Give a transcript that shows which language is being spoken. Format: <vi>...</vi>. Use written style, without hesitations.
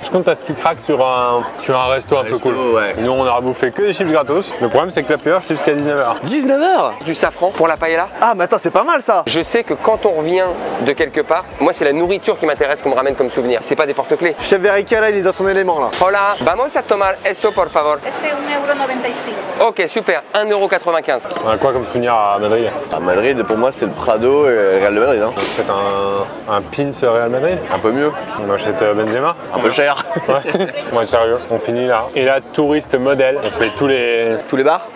<fr>Je compte à ce qui craque sur un resto un peu cool. Ouais. Nous, on aura bouffé que des chips gratos. Le problème, c'est que la pire, c'est jusqu'à 19h. 19h ? Du safran pour la paella. Ah, mais attends, c'est pas mal ça. Je sais que quand on revient de quelque part, moi, c'est la nourriture qui m'intéresse, qu'on me ramène comme souvenir. C'est pas des porte-clés. Chef Verica, là, il est dans son élément là.</fr> <es>Hola, vamos a tomar esto, por favor. Este 1,95€.</es> <fr>Ok, super. 1,95€. On a quoi comme souvenir à Madrid ? À Madrid, pour moi, c'est le Prado et Real Madrid. Hein. On achète un pins Real Madrid. Un peu mieux. On achète Benzema. Un peu cher. Ouais. Ouais, sérieux, on finit là. Et là, touriste modèle, on fait tous les bars,</fr>